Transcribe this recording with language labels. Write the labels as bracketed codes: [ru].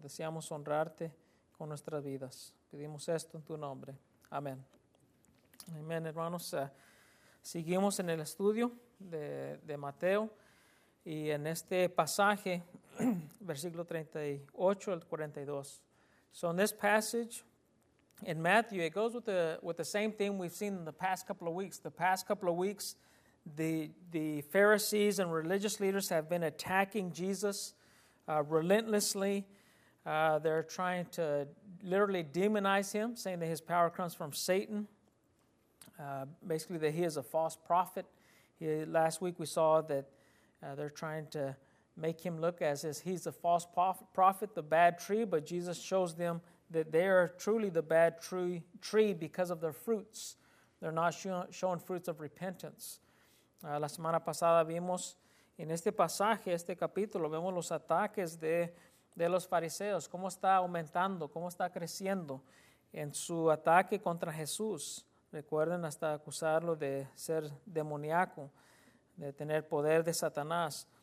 [es] Deseamos honrarte con nuestras vidas. Pedimos esto en tu nombre. Amén. Amén, hermanos. Seguimos en el estudio de Mateo. Y en este pasaje, versículo 38 al 42. [en] So in this passage in Matthew, it goes with the same thing we've seen in the past couple of weeks. The past couple of weeks, the Pharisees and religious leaders have been attacking Jesus relentlessly. They're trying to literally demonize him, saying that his power comes from Satan. Basically, that he is a false prophet. Last week we saw that they're trying to make him look as if he's a false prophet, the bad tree, but Jesus shows them that they are truly the bad tree because of their fruits. They're not showing fruits of repentance. [es] La semana pasada vimos en este pasaje, este capítulo, vemos los ataques de los fariseos, cómo está aumentando, cómo está creciendo en su ataque contra Jesús. Recuerden hasta acusarlo de ser demoníaco, de tener poder de Satanás.